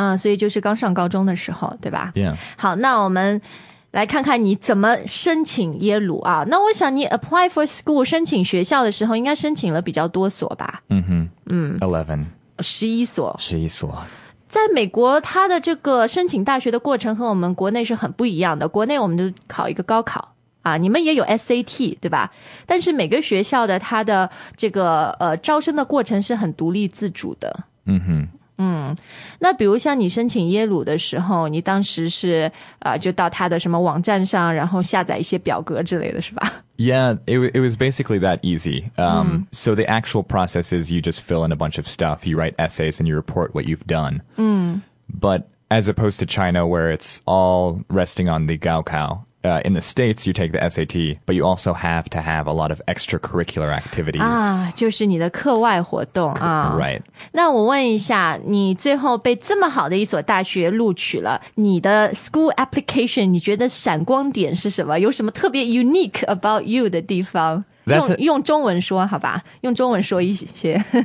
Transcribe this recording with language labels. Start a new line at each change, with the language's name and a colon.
Chinese: 所以就是刚上高中的时候，对吧？
English: Yeah.
Chinese: 好，那我们来看看你怎么申请耶鲁啊。那我想你
English: apply for school
Chinese: 申请学校的时候应该申请了比较多所吧。 11所。在美国它的这个申请大学的过程和我们国内是很不一样的。国内我们就考一个高考啊，你们也有 SAT, 对吧？但是每个学校的它的这个招生的过程是很独立自主的。嗯哼。嗯，那比如像你申请耶鲁的时候，你当时是就到他的什么网站上，然后下载一些表格之类的是吧？
English: Yeah, it was basically that easy. So the actual process is you just fill in a bunch of stuff, you write essays and you report what you've done. But as opposed to China, where it's all resting on the Gaokao, in the States, you take the SAT, but you also have to have a lot of extracurricular activities.
Chinese: 啊，就是你的课外活动啊。
English: Right.
Chinese: 那我问一下，你最后被这么好的一所大学录取了，你的
English: school application,
Chinese: 你觉得闪光点是什么？有什么特别
English: unique about you
Chinese: 的地方？用中文说，好吧，用中文说一些。